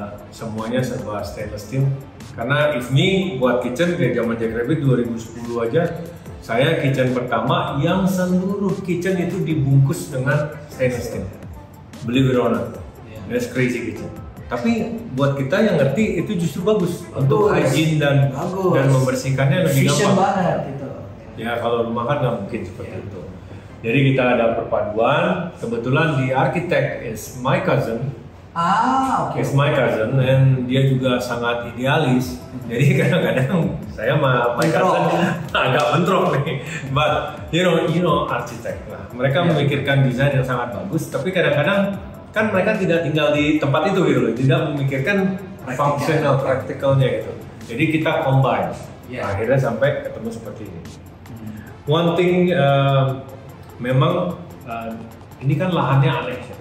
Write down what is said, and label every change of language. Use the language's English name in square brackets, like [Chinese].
[Indonesian] semuanya serba stainless steel. Karena if me buat kitchen dari zaman Jackrabbit 2010 aja, saya kitchen pertama yang seluruh kitchen itu dibungkus dengan stainless steel. [English] Believe it or not, yeah. That's crazy kitchen. [Indonesian] Tapi buat kita yang ngerti itu justru bagus, untuk hygiene dan bagus. Dan membersihkannya lebih gampang. Banget itu. Ya kalau rumah kan nggak mungkin seperti yeah. itu. Jadi kita ada perpaduan. Kebetulan [English] the architect is my cousin. Ah, okay. It's my cousin, and [Indonesian] dia juga sangat idealis. Jadi kadang-kadang saya sama [English] my cousin [Indonesian] agak bentrok nih. [English] But you know architect lah. [Indonesian] Mereka yeah. memikirkan desain yang sangat bagus. Tapi kadang-kadang kan mereka tidak tinggal di tempat itu gitu loh. Tidak memikirkan functional practicalnya gitu. Jadi kita combine. Yeah. Akhirnya sampai ketemu seperti ini. Mm-hmm. [English] One thing [Indonesian] memang ini kan lahannya aneh.